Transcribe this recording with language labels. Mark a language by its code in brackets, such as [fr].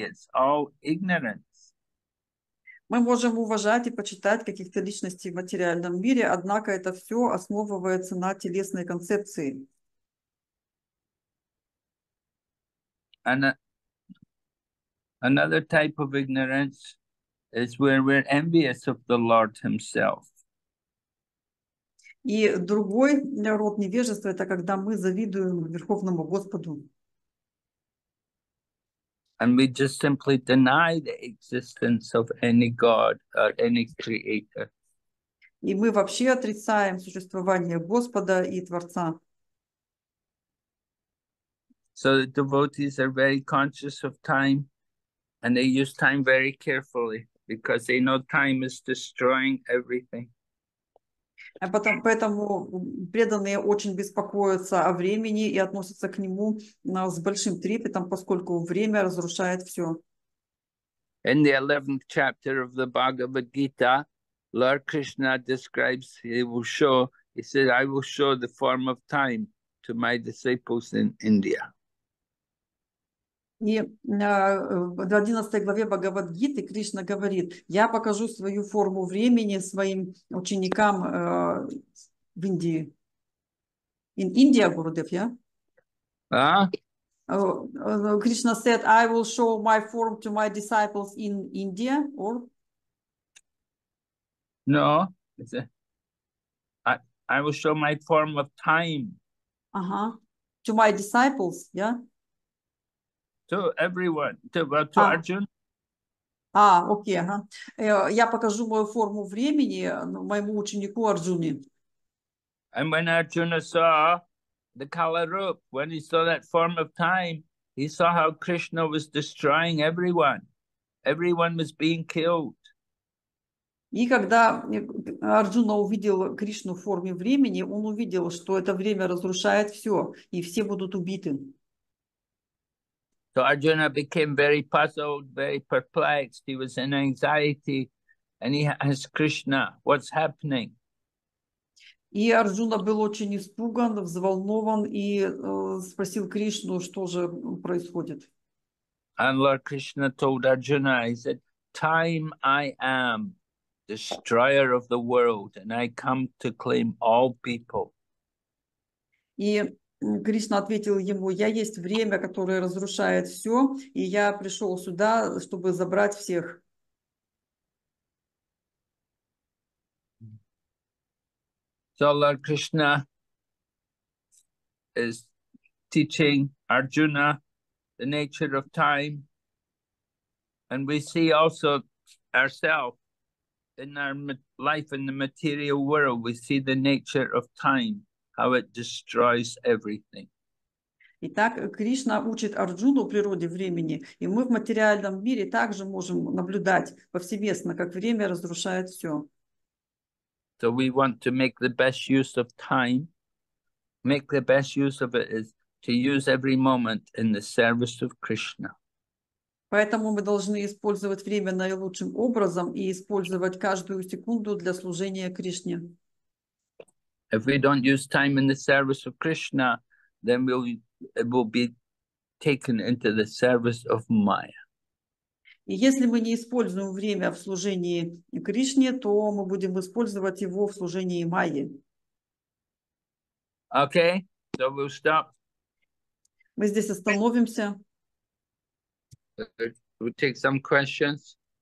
[en] It's all ignorance. [ru] Мы можем уважать и почитать каких-то личностей в материальном мире, однако это все основывается на телесной концепции. [en] Another type of ignorance is where we're envious of the Lord Himself. [ru] И другой род невежества – это когда мы завидуем Верховному Господу. [en] And we just simply deny the existence of any God or any creator. [ru] И мы вообще отрицаем существование Господа и Творца. [en] So the devotees are very conscious of time, and they use time very carefully, because they know time is destroying everything. [ru] Поэтому преданные очень беспокоятся о времени и относятся к нему с большим трепетом, поскольку время разрушает все. [en] In the 11th chapter of the Bhagavad Gita, Lord Krishna describes, he said, I will show the form of time to my disciples in India. [ru] И в 11 главе Бхагавад-гиты Кришна говорит, я покажу свою форму времени своим ученикам в Индии. [en] In India, Gurudev, yeah? Кришна said, I will show my form to my disciples in India, or? No, it's I will show my form of time. Uh-huh. To my disciples, yeah? To everyone, to Arjuna. [ru] Okay, я покажу мою форму времени моему ученику Арджуне. [en] And when Arjuna saw the Kalarup, when he saw that form of time, he saw how Krishna was destroying everyone. Everyone was being killed. [ru] И когда Арджуна увидел Кришну в форме времени, он увидел, что это время разрушает все, и все будут убиты. [en] So Arjuna became very puzzled, very perplexed. He was in anxiety, and he asked Krishna, "What's happening?" [ru] И Арджуна был очень испуган, взволнован и спросил Кришну, что же происходит. [en] And Lord Krishna told Arjuna, he said, "Time I am, destroyer of the world, and I come to claim all people." [ru] И Кришна ответил ему, я есть время, которое разрушает все, и я пришел сюда, чтобы забрать всех. [en] So Lord Krishna is teaching Arjuna the nature of time, and we see also ourselves in our life in the material world, we see the nature of time. How it destroys everything. [ru] Итак, Кришна учит Арджуну природе времени, и мы в материальном мире также можем наблюдать повсеместно, как время разрушает все. [en] So we want to make the best use of time. Make the best use of it is to use every moment in the service of Krishna. [ru] Поэтому мы должны использовать время наилучшим образом и использовать каждую секунду для служения Кришне. [en] If we don't use time in the service of Krishna, then it will be taken into the service of Maya. [ru] И если мы не используем время в служении Кришне, то мы будем использовать его в служении Майи. [en] Okay, so we'll stop. [ru] Мы здесь остановимся. [en] We'll take some questions.